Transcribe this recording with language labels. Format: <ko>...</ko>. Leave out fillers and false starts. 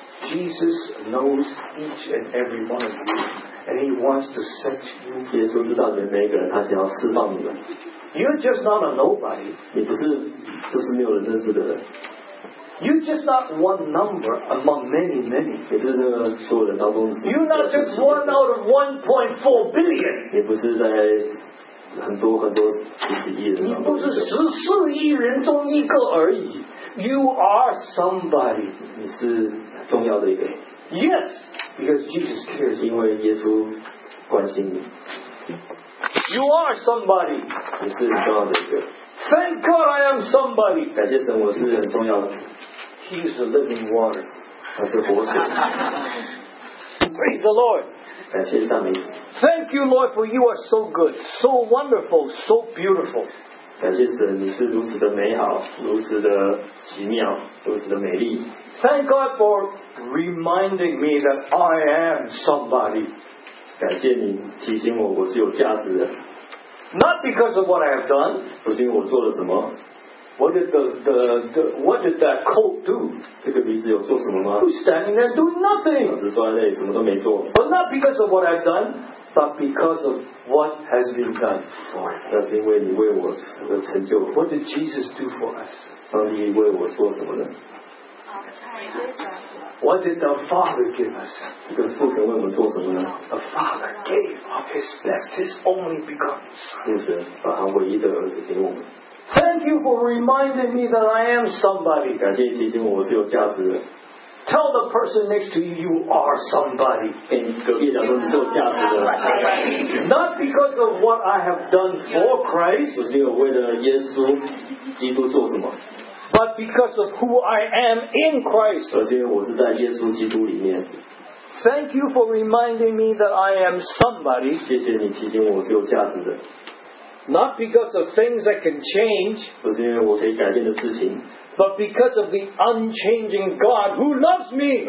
<en>Jesus knows each and every one of you, and He wants to set you.</en> <zh>耶稣知道你们每个人，他想要释放你们。</zh> <en>You're just not a nobody.</en> <zh>你不是，就是没有人认识的人。</zh> <en>You're just not one number among many, many. You're not just one out of 1.4 billion.</en> <zh>也不是在很多很多十几亿人。你不是十四亿人中一个而已。</zh> <en>You are somebody.</en> <zh>你是重要的一个。</zh> <en>Yes, because Jesus cares.</en> <zh>因为耶稣关心你。</zh> <en>You are somebody.</en> <zh>你是重要的一个。</zh> <en>Thank God I am somebody.</en> <zh>感谢神，我是很重要的。</zh> <en>He is the living water. That's the water. Praise the Lord.</en> <zh>感谢赞美。</zh> <en>Thank you, Lord, for you are so good, so wonderful, so beautiful.</en> <zh>感谢神，你是如此的美好，如此的奇妙，如此的美丽。</zh> <en>Thank God for reminding me that I am somebody.</en> <zh>感谢你提醒我，我是有价值的。</zh> <en>Not because of what I have done.</en> <zh>不是因为我做了什么。</zh> <en>What did the what did that coat do?</en> <zh>这个鼻子有做什么吗？</zh> <en>Who's standing there doing nothing?</en> <zh>只坐在那里什么都没做。</zh> <en>But not because of what I've done, but because of what has been done for us.</en> <zh>那是因为你为我的成就。</zh> <en>What did Jesus do for us?</en> <zh>上帝为我做什么呢？</zh> <en>What did the Father give us?</en> <zh>这个父神为我们做什么呢？</zh> <en>The Father gave of His best, His only begotten.</en> <zh>父神把他唯一的儿子给我们。</zh> <en>Thank you for reminding me that I am somebody.</en> <zh>感谢提醒我，我是有价值的。</zh> <en>Tell the person next to you, you are somebody.</en> <zh>跟隔壁讲说你是有价值的。</zh> <en>Not because of what I have done for Christ.</en> <zh>不是为了耶稣基督做什么。</zh> <en>But because of who I am in Christ.</en> <zh>而是因为我是在耶稣基督里面。</zh> <en>Thank you for reminding me that I am somebody.</en> <zh>谢谢你提醒我，我是有价值的。</zh> <en>Not because of things that can change,</en> <zh>不是因为我可以改变的事情,</zh> <en>but because of the unchanging God who loves me.</en>